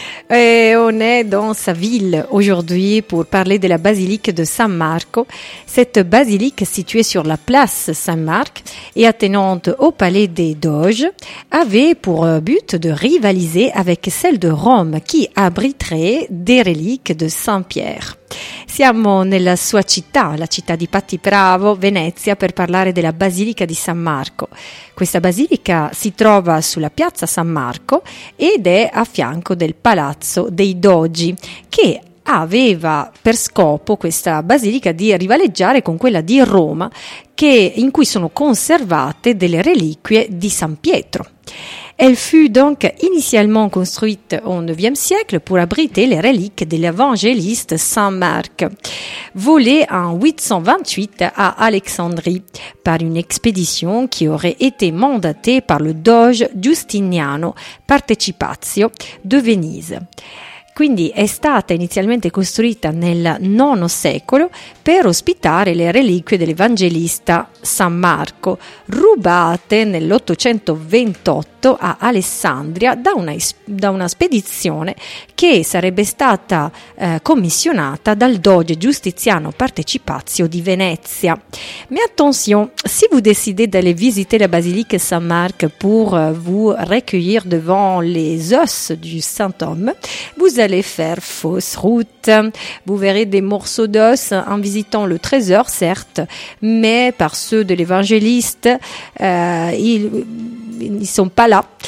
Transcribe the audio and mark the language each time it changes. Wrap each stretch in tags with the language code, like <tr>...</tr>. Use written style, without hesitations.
<fr>Et on est dans sa ville aujourd'hui pour parler de la basilique de San Marco. Cette basilique située sur la place Saint-Marc et attenante au palais des Doges avait pour but de rivaliser avec celle de Rome qui abriterait des reliques de Saint-Pierre.</fr> <it>Siamo nella sua città, la città di Patti Bravo, Venezia, per parlare della Basilica di San Marco. Questa basilica si trova sulla piazza San Marco ed è a fianco del Palazzo dei Doggi, che aveva per scopo questa basilica di rivaleggiare con quella di Roma, che, in cui sono conservate delle reliquie di San Pietro.</it> <fr>Elle fut donc initialement construite au IXe siècle pour abriter les reliques de l'évangéliste Saint Marc, volées en 828 à Alexandrie par une expédition qui aurait été mandatée par le doge Giustiniano Participazio de Venise.</fr> <it>Quindi è stata inizialmente costruita nel IX secolo per ospitare le reliquie dell'evangelista San Marco, rubate nell'828 a Alessandria da una spedizione che sarebbe stata commissionata dal doge Giustiniano Participazio di Venezia.</it> <fr>Mais attention, si vous décidez d'aller visiter la basilique San Marco pour vous recueillir devant les os du saint homme, vous allez faire fausse route. Vous verrez des morceaux d'os en visitant le trésor, certes, mais par ceux de l'évangéliste, ils ne sont pas là.</fr>